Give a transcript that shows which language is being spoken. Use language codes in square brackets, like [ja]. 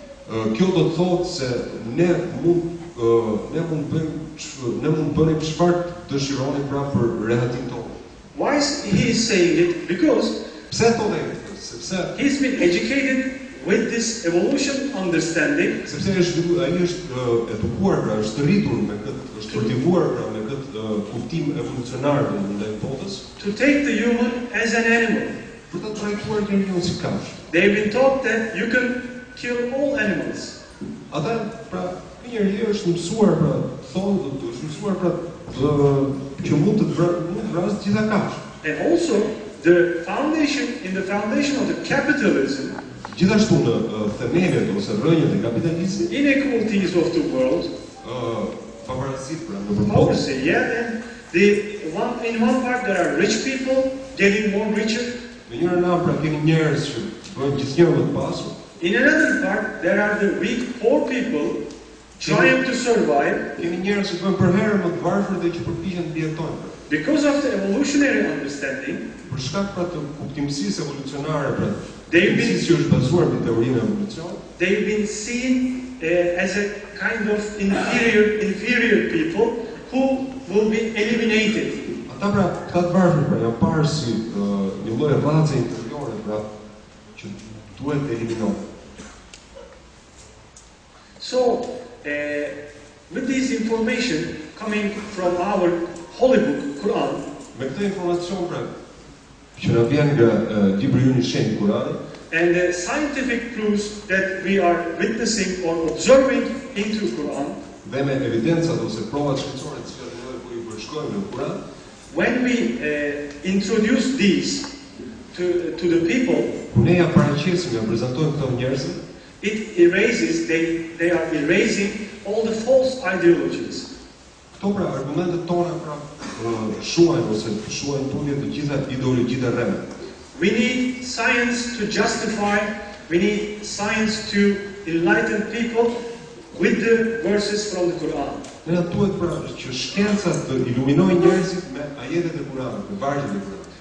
[sq] Kjo do të thotë se ne mund bënim çfarë dëshironi pra për rehatin tonë. [en] Why is he saying it? Because [sq] pse thotë këtë? Sepse [en] he's been educated with this evolution understanding. [sq] Sepse ai është edukuar, pra është rritur me këtë, është kultivuar pra me këtë kuptim evolucionar të ndaj botës. [en] To take the human as an animal. [sq] Për ta trajtuar njeriun si kafshë. [en] They've been taught that you can kill all animals. [sq] Ata pra njeriu është mësuar pra thonë do të mësuar pra që mund të vras të gjitha kafshë. [en] And also the foundation in the foundation of the capitalism. [sq] Gjithashtu në themelët ose rrënjët e kapitalizmit, [en] inequalities of the world, [sq] pavarësitë pra në [en] përbotë, yeah, and the one in one part there are rich people getting more richer. [sq] Në njërën anë pra kemi njerëz që bëjnë gjithnjëherë më të pasur. [en] In another part there are the weak poor people trying to survive. [sq] Kemi njerëz që bëjnë përherë më të varfër dhe që përpiqen të jetojnë. [en] Because of the evolutionary understanding, [sq] për shkak pra të kuptimësisë evolucionare pra [en] They've been seen as a kind of inferior people who will be eliminated. [sq] Ata pra katë varfër pra janë parë si një lloj race inferiore pra që duhet të eliminohet. [en] So, with this information coming from our holy book Quran, [sq] me këtë informacion pra që na vjen nga libri i shenjtë Kurani. [en] And the scientific proofs that we are witnessing or observing in the Quran. [sq] Dhe me evidencat ose provat shkencore të cilat ne po i bashkojmë në Kur'an. [en] When we introduce these to the people. [sq] Kur ne ja paraqesim, ja prezantojmë këto njerëzve, [en] it erases, they are erasing all the false ideologies. [sq] Këto pra argumentet tona pra shuajnë ose shuajnë tundje të gjitha ideologjitë e rreme. [en] We need science to justify, we need science to enlighten people with the verses from the Quran. [sq] Ne duhet pra që shkenca të iluminojë njerëzit me ajetet e Kuranit, me vargjet e Kuranit.